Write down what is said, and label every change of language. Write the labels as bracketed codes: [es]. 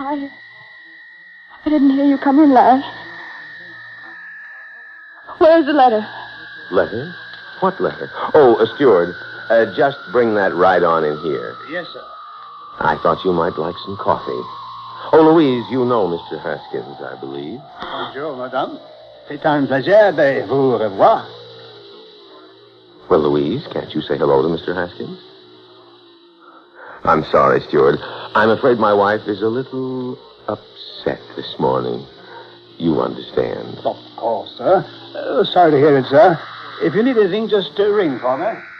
[en] Oh, I didn't hear you come in, Lash. Where's the letter? Letter? What letter? Oh, a steward, just bring that right on in here. Yes, sir. I thought you might like some coffee. Oh, Louise, you know Mr. Haskins, I believe. [fr] Bonjour, madame. C'est un plaisir de vous revoir. [en] Well, Louise, can't you say hello to Mr. Haskins? I'm sorry, steward. I'm afraid my wife is a little upset this morning. You understand. Of course, sir. Sorry to hear it, sir. If you need anything, just ring for me.